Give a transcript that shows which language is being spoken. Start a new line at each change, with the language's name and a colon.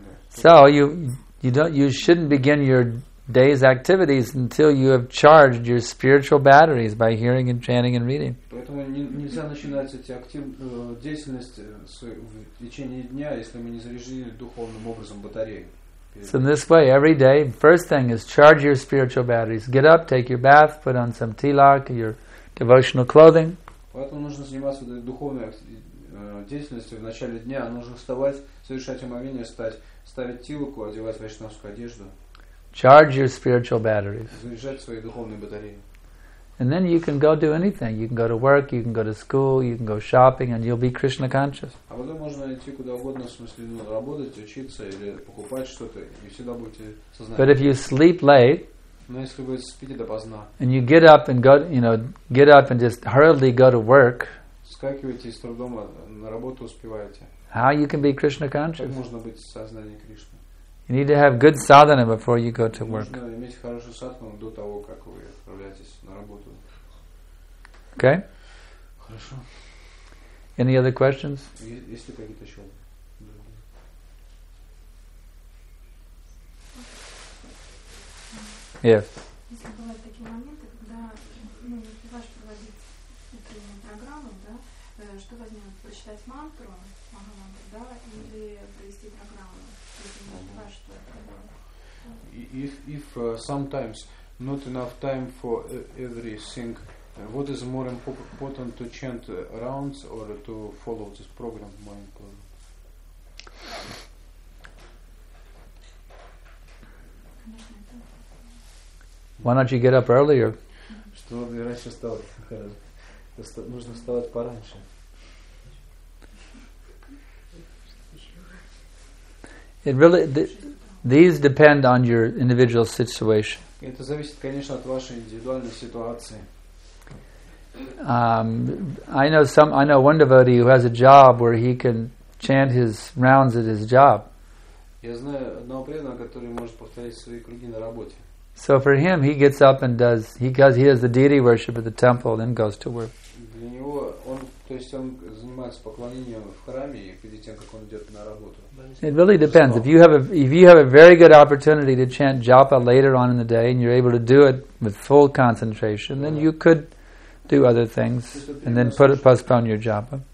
English: So you shouldn't begin your day's activities until you have charged your spiritual batteries by hearing and chanting and reading.
Russian: Поэтому нельзя начинать эти деятельности в течение дня, если мы не заряжены духовным образом батареи.
English: So in this way, every day, first thing is charge your spiritual batteries. Get up, take your bath, put on some tilak, your devotional clothing.
Russian: Поэтому нужно заниматься этой духовной деятельностью в начале дня. Нужно вставать, совершать омовение, ставить тилаку, одевать вайшнавскую одежду.
English: Charge your spiritual batteries.
Russian: Заряжать свои духовные батареи.
English: And then you can go do anything. You can go to work, you can go to school, you can go shopping, and you'll be Krishna conscious.
Russian: А потом можно идти куда угодно, в смысле, ну, работать, учиться или покупать что-то, и всегда будете сознательны.
English: But if you sleep late,
Russian: но если вы спите допоздна,
English: and you get up and go, you know, get up and just hurriedly go to work,
Russian: вскакиваете и с трудом на работу успеваете.
English: How you can be Krishna conscious?
Russian: Как можно быть сознание Кришны?
English: You need to have good sadhana before you go to work.
Russian: Нужно иметь хорошую садхану до того, как вы отправляетесь на работу.
English: Okay?
Russian: Хорошо.
English: Any other questions?
Russian: Есть ли какие-то еще?
English: Yes.
Russian: Если бывают такие моменты, когда, ну, экипаж проводит утреннюю программу, да, что возьмем? Прочитать мантру, да, или провести программу?
English: If sometimes not enough time for everything, what is more important, to chant rounds or to follow this program? More important. Why don't you get up earlier?
Russian: Что мне раньше вставать? Нужно вставать пораньше.
English: It really these depend on your individual situation.
Russian: Это зависит, конечно, от вашей индивидуальной ситуации.
English: I know one devotee who has a job where he can chant his rounds at his job.
Russian: Я знаю одного преданного, который может повторять свои круги на работе.
English: So for him, he gets up and does he does the deity worship at the temple, then goes to work.
Russian: Для него он, то есть он занимается поклонением в храме перед тем, как он идет на работу.
English: It really depends. If you have a very good opportunity to chant japa later on in the day and you're able to do it with full concentration, then you could do other things and then postpone your japa.